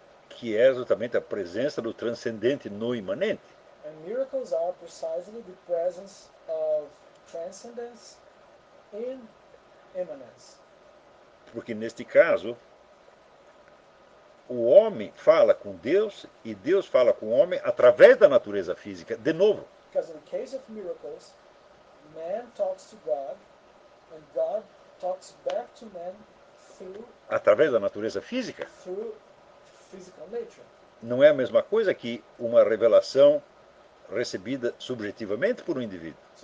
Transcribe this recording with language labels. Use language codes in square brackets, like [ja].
[pt] Que é exatamente a presença do transcendente no imanente. [en] And miracles are precisely the presence of transcendence in eminence. [pt] Porque neste caso, o homem fala com Deus e Deus fala com o homem através da natureza física, de novo. [en] Because in the case of miracles, man talks to God and God talks back to man through [pt] através da natureza física. [en] Through physical nature. [pt] Não é a mesma coisa que uma revelação recebida subjetivamente por um indivíduo.